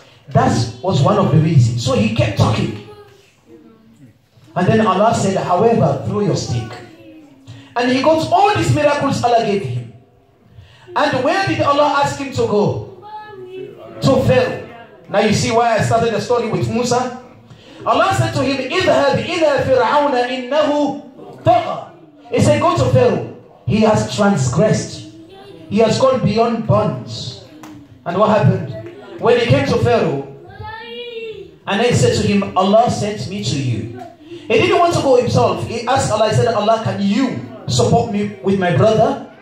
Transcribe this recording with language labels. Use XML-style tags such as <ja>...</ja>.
<en>That was one of the reasons. So he kept talking. And then Allah said, however, throw your stick. And he got all these miracles Allah gave him. And where did Allah ask him to go? To Pharaoh. Now you see why I started the story with Musa? Allah said to him,</en> <ar>اذهب إلى فرعون إنه طغى.</ar> <en>He said, go to Pharaoh. He has transgressed. He has gone beyond bounds. And what happened? When he came to Pharaoh, and then he said to him, Allah sent me to you. He didn't want to go himself. He asked Allah, he said, Allah, can you support me with my brother?</en>